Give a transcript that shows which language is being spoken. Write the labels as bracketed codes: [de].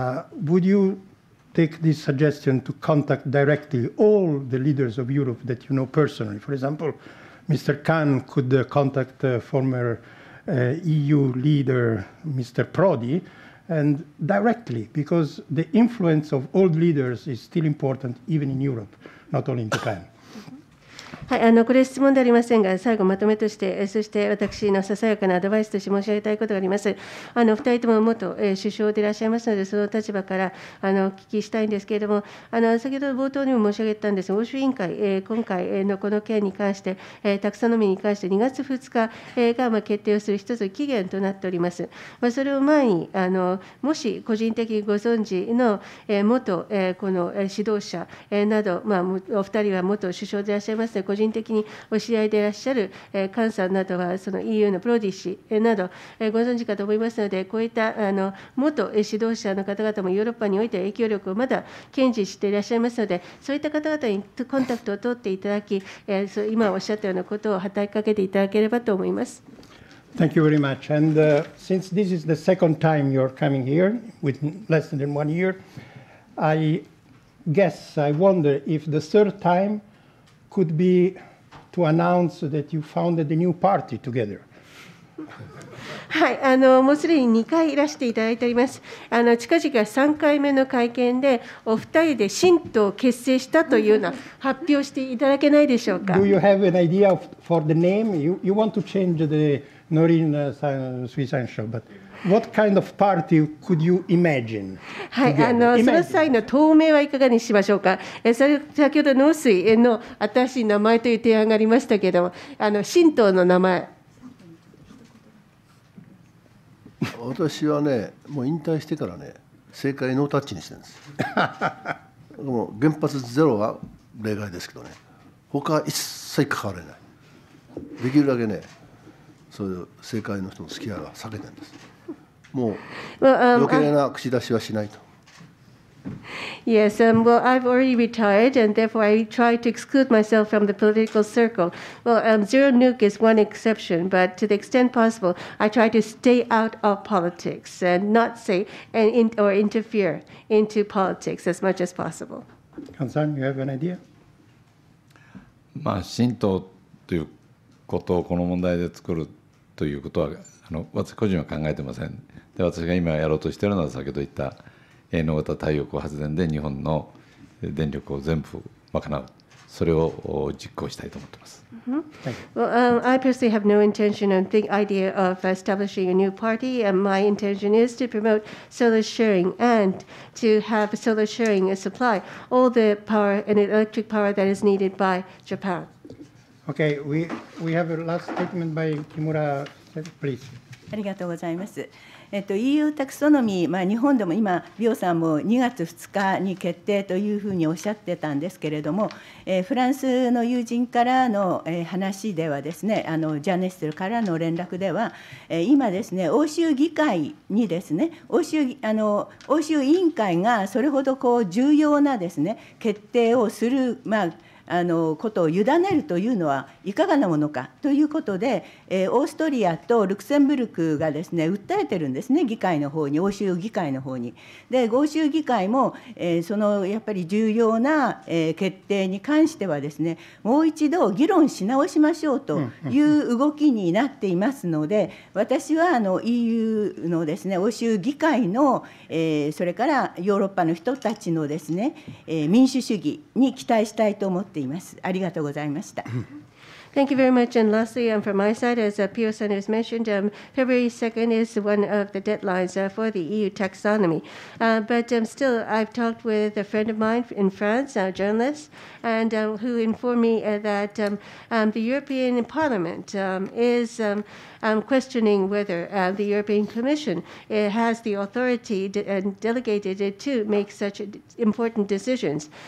[en] Would you take this suggestion to contact directly all the leaders of Europe that you know personally? For example, Mr. Kahn could contact the former EU leader, Mr. Prodi, and directly, because the influence of old leaders is still important, even in Europe, not only in Japan. [ja] はい、これ質問でありませんが、最後まとめとして、そして私のささやかなアドバイスとして申し上げたいことがあります。 2人とも元首相でいらっしゃいますので、その立場からお聞きしたいんですけれども、先ほど冒頭にも申し上げたんですが、欧州委員会、今回のこの件に関して、タクソノミーに関して、2月2日が決定をする一つの期限となっております。それを前に、もし個人的にご存知の元この指導者など、まあ、お二人は元首相でいらっしゃいます。個人的にお知り合いでいらっしゃる菅さんなどは、その EU のプロディ氏など、ご存知かと思いますので、こういった元指導者の方々もヨーロッパにおいて影響力をまだ堅持していらっしゃいますので、そういった方々にコンタクトを取っていただき、今おっしゃったようなことを働きかけていただければと思います。 [en] Thank you very much. And since this is the second time you're coming here, with less than one year, I guess, I wonder if the third time could be to to announce that you founded a new party together. [ja] はい、もうすでに2回いらしていただいております。近々3回目の会見でお二人で新党を結成したというような発表していただけないでしょうか。 [en] Do you have an idea for the name? You want to change the Norin Suisan Show, but what kind of party could you imagine? [ja] はい、その際の党名はいかがにしましょうか。それ先ほど農水の新しい名前という提案がありましたけど、新党の名前私はね、もう引退してからね、政界ノータッチにしてるんです。でも原発ゼロは例外ですけどね、他は一切関われない。できるだけね、そういう政界の人の付き合いは避けてるんです。もう余計な口出しはしないと。 [en] Yes, well, I've already retired, and therefore I try to exclude myself from the political circle. Well, Zero Nuke is one exception, but to the extent possible, I try to stay out of politics and not say or interfere into politics as much as possible. Kan-san, you have an idea? [ja] まあ、新党ということをこの問題で作るということは、私個人は考えてません。で、私が今やろうとしているのは先ほど言った野方太陽光発電で日本の電力を全部賄う、それを実行したいと思っています。 [en] Well, I personally have no intention and think idea of establishing a new party. My intention is to promote solar sharing and to have solar sharing supply all the power and electric power that is needed by Japan. Okay, we have a last statement by Kimura, please. [ja] ありがとうございます。EU タクソノミー、まあ、日本でも今、リオさんも2月2日に決定というふうにおっしゃってたんですけれども、フランスの友人からの話ではですね、ジャーナリストからの連絡では、今ですね、欧州議会にですね、欧州委員会がそれほどこう重要なですね、決定をする、まあ、ことを委ねるというのはいかがなものかということで、オーストリアとルクセンブルクがですね、訴えてるんですね、議会の方に、欧州議会の方に。で、欧州議会も、そのやっぱり重要な、決定に関してはですね、もう一度議論し直しましょうという動きになっていますので、私はEU のですね、欧州議会の、それからヨーロッパの人たちのですね、民主主義に期待したいと思っています。ありがとうございました。 [en] Thank you very much. And lastly, from my side, as Pio-san has mentioned, February 2nd is one of the deadlines for the EU taxonomy. But still, I've talked with a friend of mine in France, a journalist, and who informed me that the European Parliament is questioning whether the European Commission has the authority delegated it to make such important decisions.